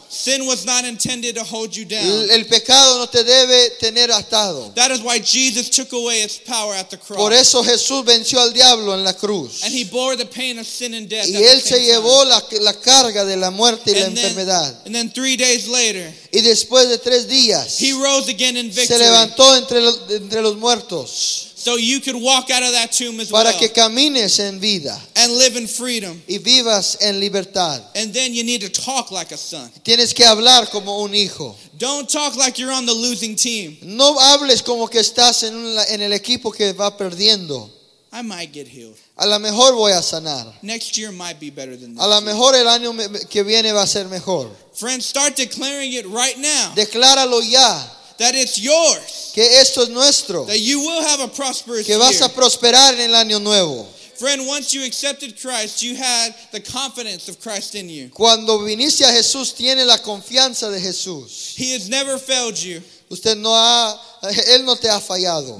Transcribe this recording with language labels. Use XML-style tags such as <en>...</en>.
<en>Sin was not intended to hold you down.</en> <es>El pecado no te debe tener atado.</es> <en>That is why Jesus took away its power at the cross.</en> <es>Por eso Jesús venció al diablo en la cruz.</es> <en>And he bore the pain of sin and death.</en> <es>Y él se llevó la carga de la muerte y la enfermedad.</es> <en>And then 3 days later,</en> <es>y después de 3 días,</es> <en>he rose again in victory.</en> <es>Se levantó entre los muertos.</es> <en>So you could walk out of that tomb as</en> <es>para</es> <en>well.</en> <es>Que camines en vida.</es> <en>And live in freedom.</en> <es>Y vivas en libertad.</es> <en>And then you need to talk like a son.</en> <es>Tienes que hablar como un hijo.</es> <en>Don't talk like you're on the losing team.</en> <es>No hables como que estás en el equipo que va perdiendo.</es> <en>I might get healed.</en> <es>A lo mejor voy a sanar.</es> <en>Next year might be better than this.</en> <es>A lo mejor el año que viene va a ser mejor.</es> <en>Friends, start declaring it right now.</en> <es>Decláralo ya.</es> <en>That it's yours.</en> <es>Que esto es nuestro.</es> <en>That you will have a prosperous year.</en> <es>Que vas a prosperar en el año nuevo.</es> <en>Friend, once you accepted Christ, you had the confidence of Christ in you.</en> <es>Cuando viniste a Jesús, tiene la confianza de Jesús.</es> <en>He has never failed you.</en> <es>Usted no ha, él no te ha fallado.</es>